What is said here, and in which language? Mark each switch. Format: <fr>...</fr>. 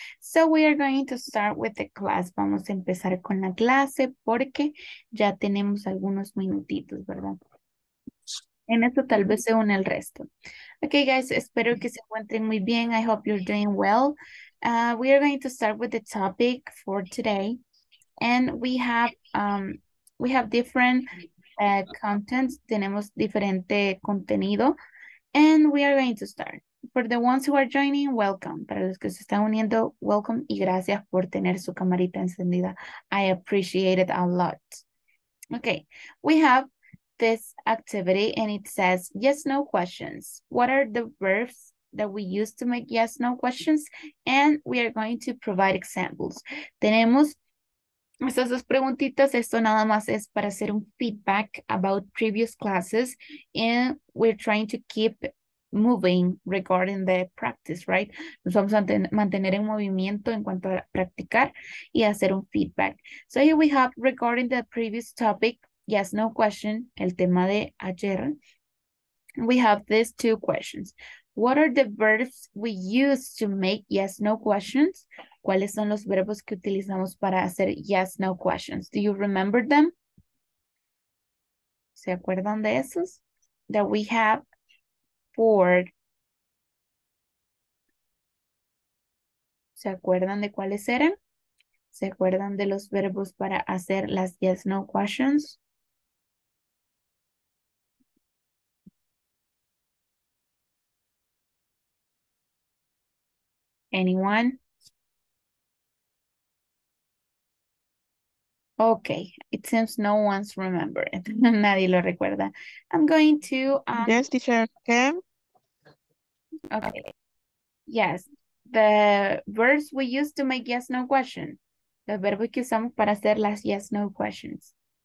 <en>So we are going to start with the class.</en> <es>Vamos a empezar con la clase porque ya tenemos algunos minutitos, ¿verdad? En esto tal vez se une el resto. Okay, guys, espero que se encuentren muy bien.</es> <en>I hope you're doing well. We are going to start with the topic for today. And we have different contents,</en> <es>tenemos diferente contenido,</es> <en>and we are going to start. For the ones who are joining, welcome.</en> <es>Para los que se están uniendo,</es> <en>welcome</en> <es>y gracias por tener su camarita encendida.</es> <en>I appreciate it a lot. Okay, we have this activity and it says yes, no questions. What are the verbs that we use to make yes, no questions? And we are going to provide examples.</en> <es>Tenemos estas dos preguntitas, esto nada más es para hacer un feedback</es> <en>about previous classes, and we're trying to keep moving regarding the practice, right?</en> <es>Nos vamos a mantener en movimiento en cuanto a practicar y hacer un feedback.</es> <en>So here we have regarding the previous topic, yes, no question,</en> <es>el tema de ayer.</es> <en>We have these two questions. What are the verbs we use to make yes, no questions?</en> <es>¿Cuáles son los verbos que utilizamos para hacer yes, no questions?</es> <en>Do you remember them?</en> <es>¿Se acuerdan de esos?</es> <en>That we have for.</en> <es>¿Se acuerdan de cuáles eran? ¿Se acuerdan de los verbos para hacer las yes, no questions?</es> <en>Anyone? Okay, it seems no one's remembered.</en> <es>Nadie lo recuerda.</es> <en>I'm going to Yes, teacher, can. Okay. Yes, the verbs we use to make yes no question.</en> <es>Los verbos que usamos para hacer las yes no questions.</es>